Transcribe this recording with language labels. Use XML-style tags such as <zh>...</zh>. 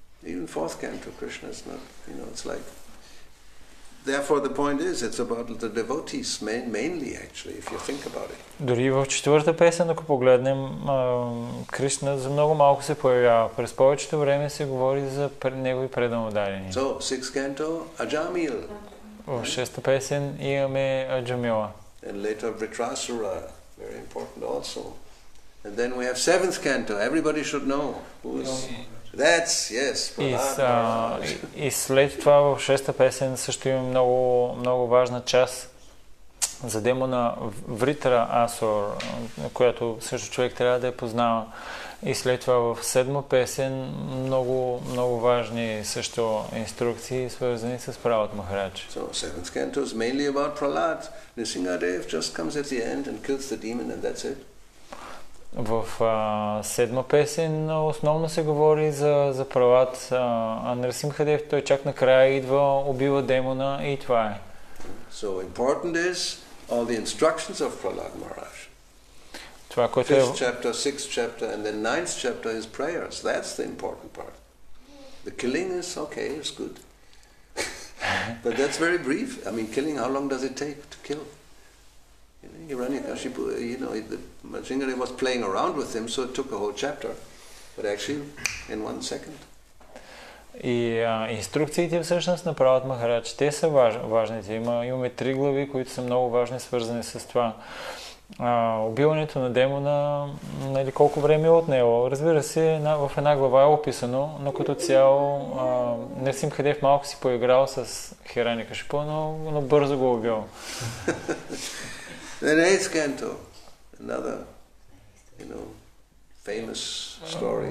<en>Even fourth canto, Krishna is not, you know, it's like. Therefore, the point is, it's about the devotees mainly, actually, if you think about it.</en> <bg>Дори в четвърта песен, ако погледнем, Кришна за много малко се появява. През повечето време се говори за негови преданодарени.</bg> <en>So, sixth canto, Ajamil.</en> <bg>В шеста песен имаме Аджамила.</bg> <en>And later Vritrasura, very important also. And then we have seventh canto, everybody should know. Who's... That's, yes, Prahlad.</en> <bg>И след това в шеста песен също има много, много важна част за демона Vritrasur, която също човек трябва да я познава. И след това в седма песен много, много важни също инструкции, свързани с Прабхупад Махарадж.</bg> <en>So, seventh canto is mainly about Prahlad. Nrisimhadev just comes at the end and kills the demon and that's it.</en> <bg>В седма песен основно се говори за Прахлад, а Нрисимхадев той чак накрая идва, убива демона и това е.</bg> <en>So, important is all the instructions of Prahlad Maharaj.</en> <bg>Това, което</bg> <en>fifth chapter, sixth chapter, and then ninth chapter is prayers. That's the important part. The killing is okay, it's good. But that's very brief. I mean, killing, how long does it take to kill? Hiranyakashipu, you know, Mahasingharev was playing around with him, so it took a whole chapter. But actually, in one second.</en> <bg>И инструкциите всъщност на Прабхупад Махарадж, те са важните. Имаме три глави, които са много важни, свързани с това. Убиването на демона, нали, колко време е отнело. Разбира се, в една глава е описано, но като цяло Нрисимхадев малко си поиграл с Хиранякашипу, но бързо го убил.</bg> <en>The eighth canto, another, you know, famous story.</en>